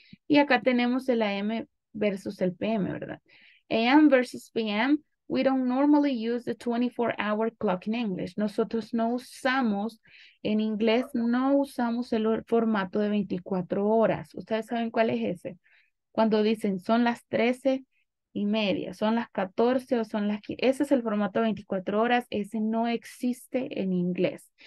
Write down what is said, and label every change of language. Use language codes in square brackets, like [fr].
[es] Y acá tenemos el AM versus el PM, ¿verdad? AM versus PM. [en] We don't normally use the 24-hour clock in English. [es] Nosotros no usamos, en inglés, no usamos el formato de 24 horas. ¿Ustedes saben cuál es ese? Cuando dicen son las 13:30, son las 14 o son las 15. Ese es el formato de 24 horas. Ese no existe en inglés.